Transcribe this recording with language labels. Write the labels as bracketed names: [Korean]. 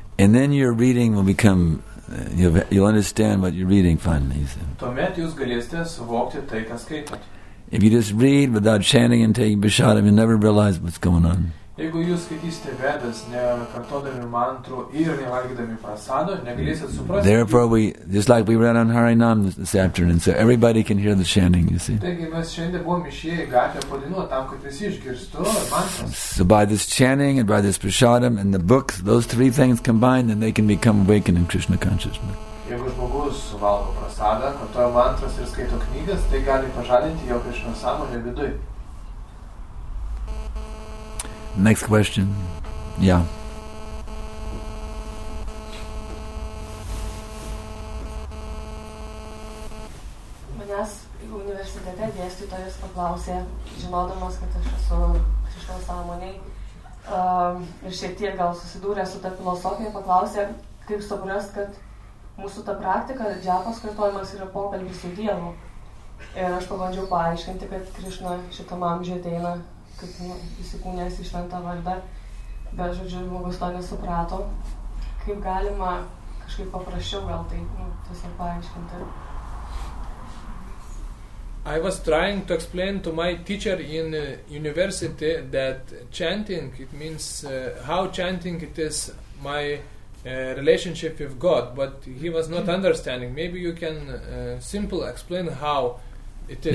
[English] And then your reading will become, you'll understand what you're reading finally. [Lithuanian] Tuomet jūs galėsite suvokti tai, ką skaitot. [English] If you just read without chanting and taking bishadam, you never realize what's going on. [Lithuanian] Jeigu jūs skaitysite vedas, nekartodami mantrų ir nevalgydami prasado, negalėsite suprasti. [English] Therefore, we read on Harinam this afternoon, so everybody can hear the chanting, you see. [Lithuanian] Taigi mes šiandien buvom išėję į gatvę padainuot tam, kad visi išgirstų mantras. [English] So by this chanting and by this prasadam and the books, those three things combined, then they can become awakened in Krishna consciousness. [Lithuanian] Jeigu žmogus suvalgo prasadą, kartoja mantras ir skaito knygas, tai gali pažadinti jo Krishna sąmonę viduj. [English] Next question. Yeah. [Lithuanian] Manęs universitete dėstytojas paklausė, žinodamas, kad aš esu Krišnos sąmonėj, ir šiek tiek gal susidūrė su ta filosofija, paklausė, kaip suprast, kad mūsų ta praktika, džiapos kartojimas yra pokalbis su Dievu. Ir aš pabandžiau paaiškinti, kad Krišna šitam amžiui ateina kaip įsikūnės į šventą vardą, bet žodžiu, žmogus to nesuprato. Kaip galima kažkaip paprasčiau gal tai tiesiog paaiškinti? [English] I was trying to explain to my teacher in university that chanting, it means how chanting it is my relationship with God, but he was not understanding. Maybe you can simple explain how it is.